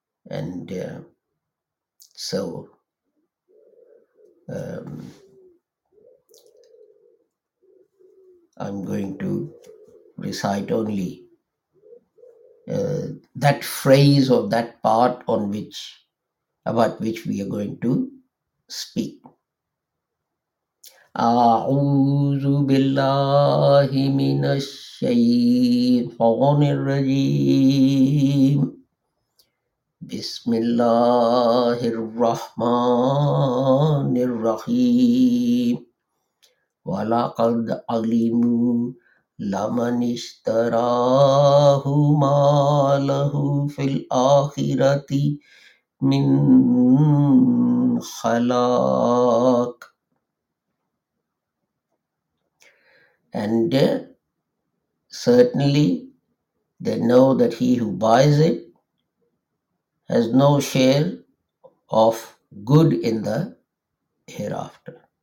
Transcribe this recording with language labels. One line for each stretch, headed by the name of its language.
English: and I'm going to recite only that phrase or that part on which, about which we are going to speak.
Arabic: أعوذ بالله من الشيطان الرجيم بسم الله الرحمن الرحيم ولقد علموا لمن اشتراه ما له في الآخرة من خلاق.
English: And certainly they know that he who buys it has no share of good in the hereafter.